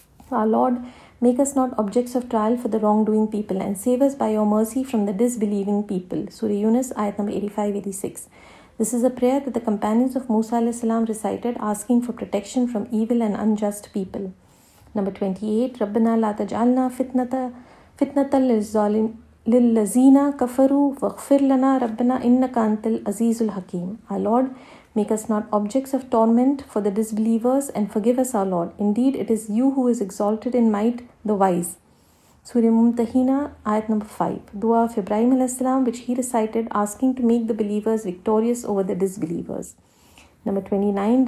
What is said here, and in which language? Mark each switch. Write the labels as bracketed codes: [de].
[en] Our Lord, make us not objects of trial for the wrongdoing people and save us by your mercy from the disbelieving people. Surah Yunus, ayat number 85-86. This is a prayer that the companions of Musa alayhi salam recited, asking for protection from evil and unjust people. Number 28. [ar] Rabbana la taj'alna fitnata lil zalim للذين كفروا واغفر لنا ربنا انك انت العزيز الحكيم. [en] Our Lord, make us not objects of torment for the disbelievers and forgive us, our Lord. Indeed, it is you who is exalted in might, the wise. Surah Mumtahina, ayat number 5. Dua of Ibrahim alayhisalam, which he recited asking to make the believers victorious over the disbelievers. Number 29.